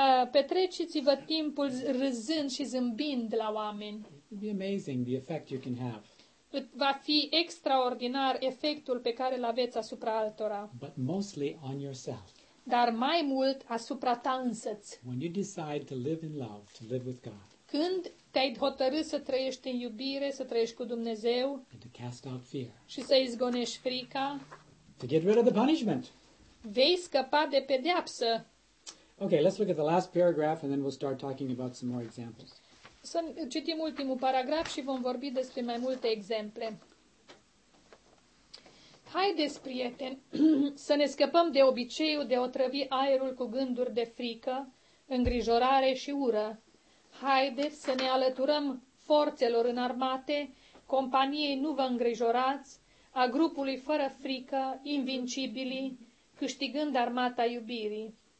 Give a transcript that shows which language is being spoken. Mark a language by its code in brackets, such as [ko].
[ro] Petreciți-vă timpul râzând și zâmbind la oameni. [en] It'd be amazing the effect you can have. [ro] Va fi extraordinar efectul pe care l-aveți asupra altora. [en] But mostly on yourself. [ro] Dar mai mult asupra ta însăți. [en] When you decide to live in love, to live with God. [ro] Când te-ai hotărât să trăiești în iubire, să trăiești cu Dumnezeu. [en] And to cast out fear. [ro] Și să izgonești frica. [en] To get rid of the punishment. [ro] Vei scăpa de pedeapsă. [en] Okay, let's look at the last paragraph and then we'll start talking about some more examples. [ro] Să citim ultimul paragraf și vom vorbi despre mai multe exemple. Haideți, prieteni, să ne scăpăm de obiceiul de a otrăvi aerul cu gânduri de frică, îngrijorare și ură. Haideți să ne alăturăm forțelor înarmate, companiei Nu vă îngrijorați, a grupului fără frică, invincibili, câștigând armata iubirii.